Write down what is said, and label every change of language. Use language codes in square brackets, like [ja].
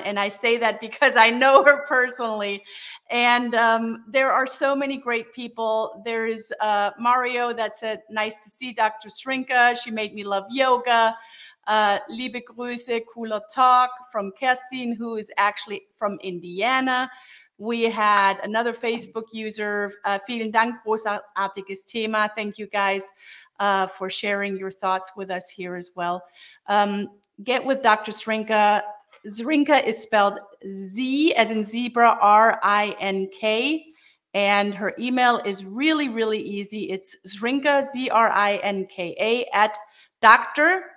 [en] And I say that because I know her personally. And there are so many great people. There is Mario that said, nice to see Dr. Zrinka. She made me love yoga. [de] Liebe Grüße, cooler talk [en] from Kerstin, who is actually from Indiana. We had another Facebook user. [de] Vielen Dank, großartiges Thema. [en] Thank you guys. For sharing your thoughts with us here as well. Get with Dr. Zrinka. Zrinka is spelled Z as in zebra, R-I-N-K. And her email is really, really easy. It's Zrinka, Z-R-I-N-K-A, at Dr.